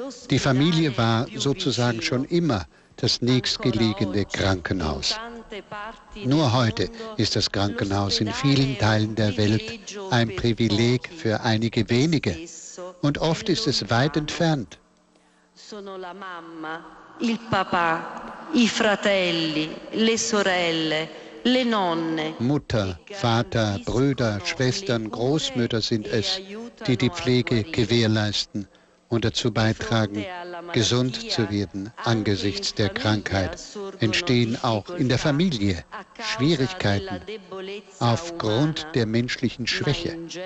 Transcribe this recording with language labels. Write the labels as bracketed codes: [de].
[de] Die Familie war sozusagen schon immer das nächstgelegene Krankenhaus. Nur heute ist das Krankenhaus in vielen Teilen der Welt ein Privileg für einige wenige. Und oft ist es weit entfernt. [it] Sono la mamma, il papà, i fratelli, le sorelle, le nonne. [de] Mutter, Vater, Brüder, Schwestern, Großmütter sind es, die die Pflege gewährleisten und dazu beitragen, gesund zu werden angesichts der Krankheit, entstehen auch in der Familie Schwierigkeiten aufgrund der menschlichen Schwäche.